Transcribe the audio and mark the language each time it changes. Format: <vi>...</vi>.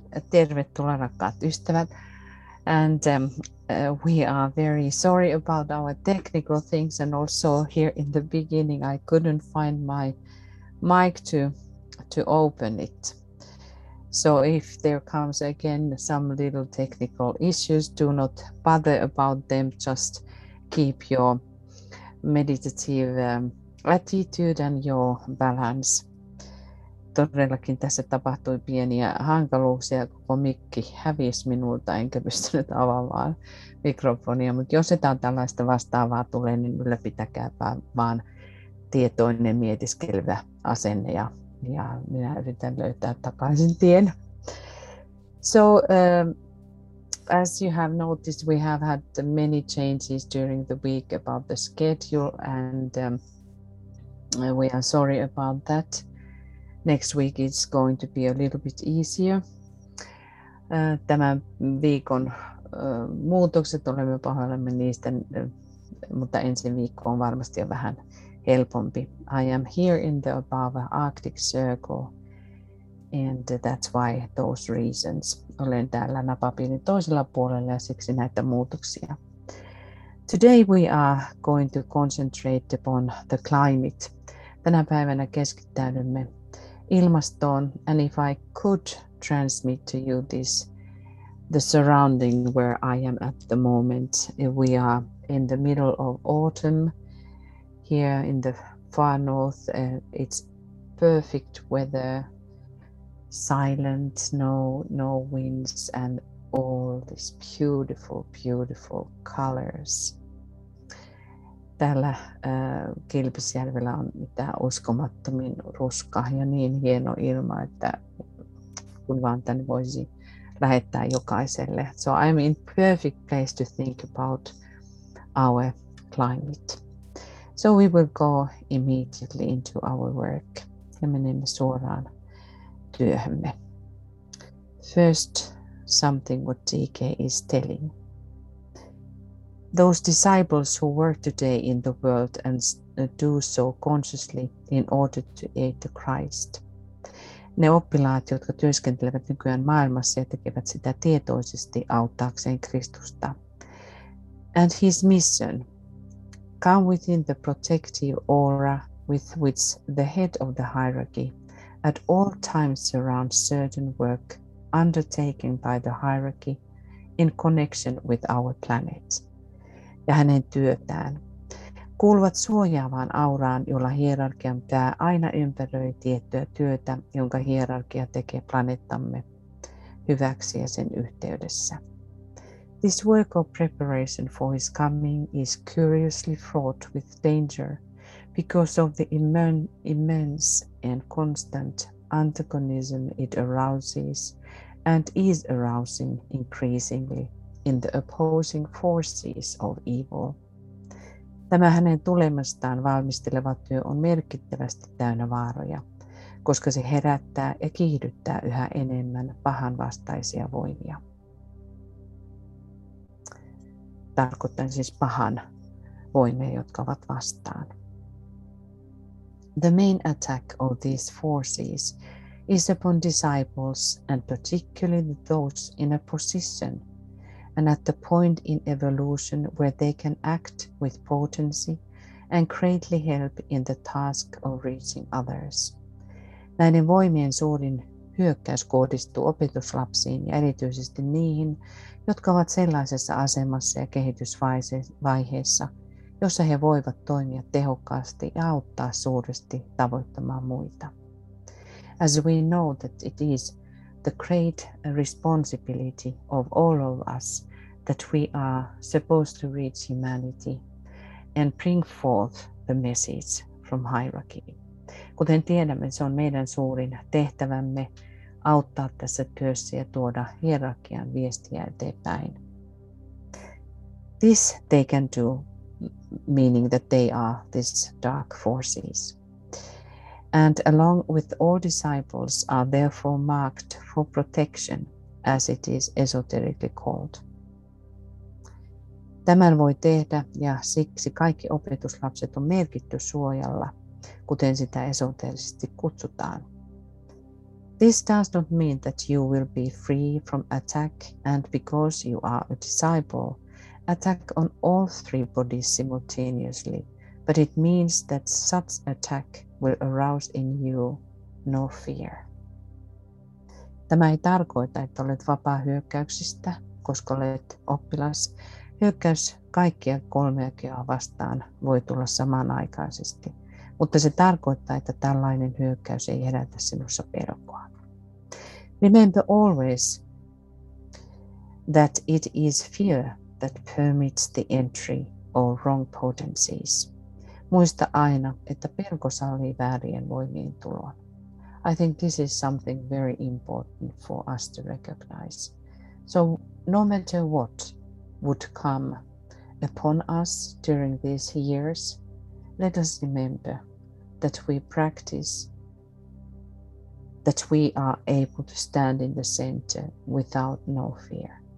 <fi>Tervetuloa, rakkaat ystävät.</fi> <en>And we are very sorry about our technical things, and also here in the beginning I couldn't find my mic to open it. So if there comes again some little technical issues, do not bother about them. Just keep your meditative attitude and your balance.</en> <fi>Todellakin tässä tapahtui pieniä hankaluuksia, koko mikki hävisi minulta, enkä pystynyt avaamaan mikrofonia. Mutta jos jotain tällaista vastaavaa tulee, niin ylläpitäkääpä vaan tietoinen mietiskelevä asenne, ja minä yritän löytää takaisin tien.</fi> <en>So, as you have noticed, we have had many changes during the week about the schedule, and we are sorry about that. Next week it's going to be a little bit easier.</en> <fi>Tämän viikon muutokset, olemme pahoillamme niistä, mutta ensi viikko on varmasti jo vähän helpompi.</fi> <en>I am here in the above Arctic Circle, and that's why those reasons.</en> <fi>Olen täällä napapiirin toisella puolella, ja siksi näitä muutoksia.</fi> <en>Today we are going to concentrate upon the climate.</en> <fi>Tänä päivänä keskittäydymme ilmastoon,</fi> <en>and if I could transmit to you this, the surrounding where I am at the moment. We are in the middle of autumn here in the far north. It's perfect weather, silent, no winds, and all these beautiful, beautiful colors.</en> <fi>Täällä Kilpisjärvellä on mitä uskomattomin ruska ja niin hieno ilma, että kun vaan tänne voisi lähettää jokaiselle.</fi> <en>So I'm in perfect place to think about our climate. So we will go immediately into our work.</en> <fi>Ja menemme suoraan työhömme.</fi> <en>First, something what DK is telling. Those disciples who work today in the world and do so consciously in order to aid the Christ.</en> <fi>Ne oppilaat, jotka työskentelevät nykyään maailmassa ja tekevät sitä tietoisesti auttaakseen Kristusta.</fi> <en>And his mission. Come within the protective aura with which the head of the hierarchy at all times surrounds certain work undertaken by the hierarchy in connection with our planet.</en> <fi>Ja hänen työtään. Kuuluvat suojaavaan auraan, jolla hierarkian pää aina ympäröi tiettyä työtä, jonka hierarkia tekee planeettamme hyväksi ja sen yhteydessä.</fi> <en>This work of preparation for his coming is curiously fraught with danger because of the immense and constant antagonism it arouses and is arousing increasingly in the opposing forces of evil.</en> <fi>Tämä hänen tulemastaan valmisteleva työ on merkittävästi täynnä vaaroja, koska se herättää ja kiihdyttää yhä enemmän pahan vastaisia voimia. Tarkoittaa siis pahan voimia, jotka ovat vastaan.</fi> <en>The main attack of these forces is upon disciples, and particularly those in a position and at the point in evolution where they can act with potency and greatly help in the task of reaching others.</en> <fi>Näiden voimien suurin hyökkäys kohdistuu opetuslapsiin ja erityisesti niihin, jotka ovat sellaisessa asemassa ja kehitysvaiheessa, jossa he voivat toimia tehokkaasti ja auttaa suuresti tavoittamaan muita.</fi> <en>As we know that it is the great responsibility of all of us that we are supposed to reach humanity and bring forth the message from hierarchy.</en> <fi>Kuten tiedämme, se on meidän suurin tehtävämme auttaa tässä työssä ja tuoda hierarkian viestiä eteenpäin.</fi> <en>This they can do, meaning that they are these dark forces. And along with all disciples are therefore marked for protection, as it is esoterically called.</en> <fi>Tämän voi tehdä, ja siksi kaikki opetuslapset on merkitty suojalla, kuten sitä esoterisesti kutsutaan.</fi> <en>This does not mean that you will be free from attack, and because you are a disciple, attack on all three bodies simultaneously, but it means that such attack will arouse in you no fear.</en> <fi>Tämä ei tarkoita, että olet vapaa hyökkäyksistä, koska olet oppilas. Hyökkäys kaikkia kolmea kehoa vastaan voi tulla samanaikaisesti, mutta se tarkoittaa, että tällainen hyökkäys ei herätä sinussa pelkoa.</fi> <en>Remember always that it is fear that permits the entry or wrong potencies.</en> <fi>Muista aina, että pelko sallii väärien voimien tuloa.</fi> <en>I think this is something very important for us to recognize. So no matter what would come upon us during these years, let us remember that we practice, that we are able to stand in the center without no fear.</en>